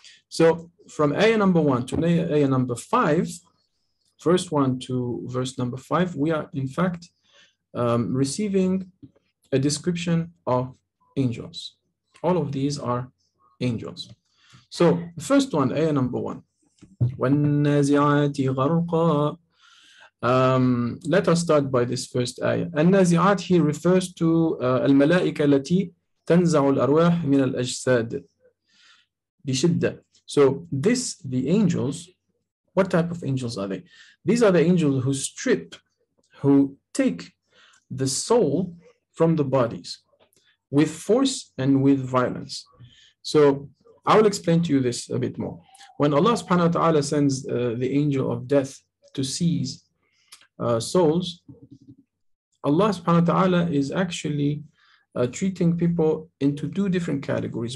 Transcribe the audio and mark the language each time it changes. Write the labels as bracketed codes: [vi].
[en] So from ayah number 1 to ayah number 5, first one to verse number 5, we are in fact receiving a description of angels. All of these are angels. So the first one, ayah number 1. [ar] وَالنَّازِعَاتِ غَرْقًا. [en] Let us start by this first ayah. [ar] النَّازِعَات [en] here refers to [ar] الْمَلَائِكَ الَّتِي تَنْزَعُ الْأَرْوَاحِ مِنَ الْأَجْسَادِ بِشِدَّةِ. [en] So this, the angels, what type of angels are they? These are the angels who strip, who take the soul from the bodies with force and with violence. So I will explain to you this a bit more. When Allah subhanahu wa ta'ala sends the angel of death to seize souls, Allah subhanahu wa ta'ala is actually treating people into two different categories.